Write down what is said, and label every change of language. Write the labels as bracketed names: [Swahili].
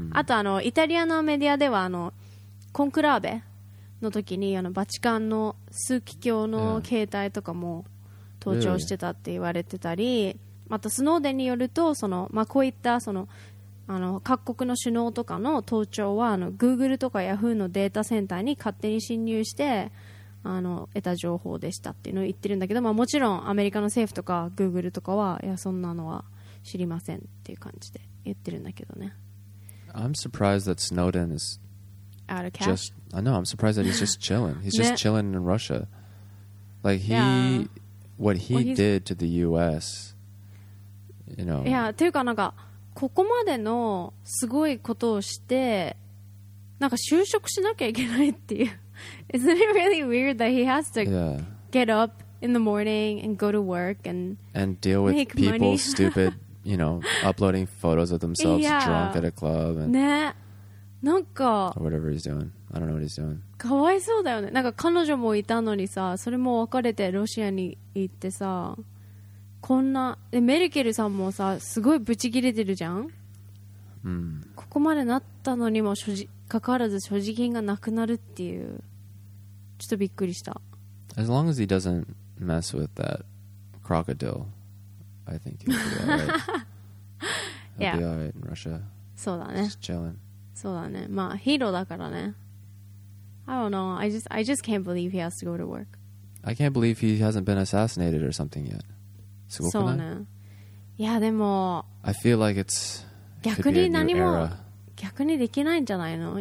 [Japanese] あとあのイタリアのメディアではあのコンクラーベの時にあのバチカンの枢機卿の携帯とかも盗聴してたって言われてたり、またスノーデンによるとその、まあ、こういったそのあの各国の首脳とかの盗聴はあの Google とか Yahoo のデータセンターに勝手に侵入してあの得た情報でしたっていうのを言ってるんだけど、まあ、もちろんアメリカの政府とか Google とかはいやそんなのは知りませんっていう感じで言ってるんだけどね。 [English] I'm surprised that Snowden is out of cash. Just, I know, I'm surprised that he's just chilling. He's just chilling in Russia. Like he... Yeah. What he did to the U.S., you know. [Japanese] Yeah, っていうかなんかここまでのすごいことをして、なんか就職しなきゃいけないっていう [English] isn't it really weird that he has to get up in the morning and go to work and deal with people stupid, you know, uploading photos of themselves drunk at a club and or whatever he's doing. I don't know what he's doing. [Japanese] かわいそうだよね。なんか彼女もいたのにさ、それも別れてロシアに行ってさ、こんな、で、メルケルさんもさ、すごいブチ切れてるじゃん。うん。ここまでなったのにも所持、かかわらず所持金がなくなるっていう。ちょっとびっくりした。 [English] As long as he doesn't mess with that crocodile, I think he'll be alright. He'll be alright in Russia. [Japanese] そうだね。 [English] Just chilling. [Japanese] そうだね。まあヒーローだからね。 [English] I don't know. I just can't believe he has to go to work. I can't believe he hasn't been assassinated or something yet. [Japanese] すごくない？そうね。いやでも。 [English] I feel like it's [Japanese] 逆に何も逆にできないんじゃないの？